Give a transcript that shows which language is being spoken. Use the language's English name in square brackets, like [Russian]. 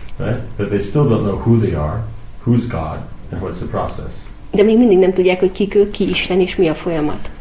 [English] Right? But they still don't know who they are, who's God, and what's the process. [Hungarian] De még mindig nem tudják, hogy kik ők, ki Isten, és mi a folyamat.